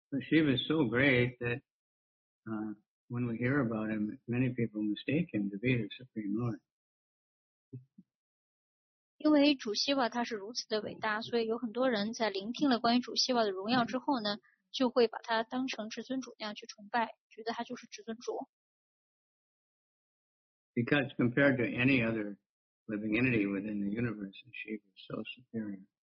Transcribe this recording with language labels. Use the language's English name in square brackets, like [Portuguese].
[English] Shiva is so great that when we hear about him, many people mistake him to be the Supreme Lord. [Chinese] 因为主希瓦他是如此的伟大，所以有很多人在聆听了关于主希瓦的荣耀之后呢，就会把他当成至尊主那样去崇拜，觉得他就是至尊主。 [English] Because compared to any other living entity within the universe, and Shiva is so superior.